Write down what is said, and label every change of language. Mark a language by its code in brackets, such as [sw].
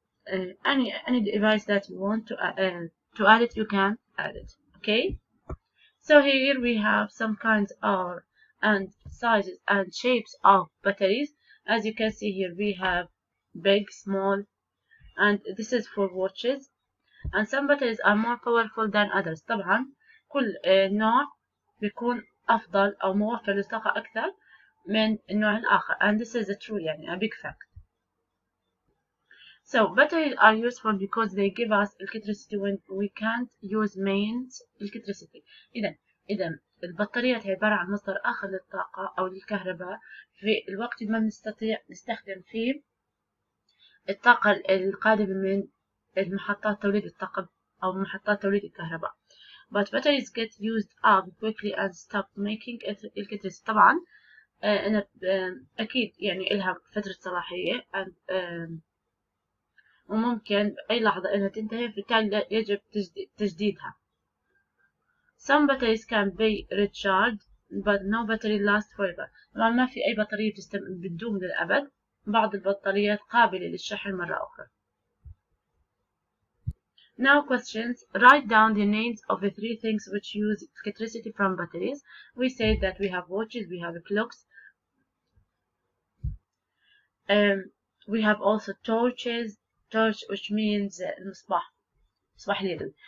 [en] Any device that you want to add it, you can add it. Okay. So here we have some kinds of and sizes and shapes of batteries. As you can see here, we have big, small, and this is for watches. And some batteries are more powerful than others. [ar] طبعا كل نوع بيكون أفضل أو موفر للطاقة أكثر من النوع الآخر, [en] and this is a true, [ar] يعني [en] a big fact. So batteries are useful because they give us electricity when we can't use mains electricity. [ar] إذا البطاريات عبارة عن مصدر آخر للطاقة أو للكهرباء في الوقت ما بنستطيع نستخدم فيه الطاقة القادمة من محطات توليد الطاقة أو محطات توليد الكهرباء. [en] But batteries get used up quickly and stop making electricity. [ar] طبعا أنا أكيد يعني إلها فترة صلاحية and, وممكن أي لحظة إنها تنتهي, فبالتالي يجب تجديدها. [en] Some batteries can be recharged but no battery lasts forever. [ar] طبعا ما في أي بطارية بتدوم للأبد. بعض البطاريات قابلة للشحن مرة أخرى. [en] Now questions. Write down the names of the three things which use electricity from batteries. We say that we have watches, we have clocks, we have also torches. Torch, which means [ar] المصباح, مصباح الليل.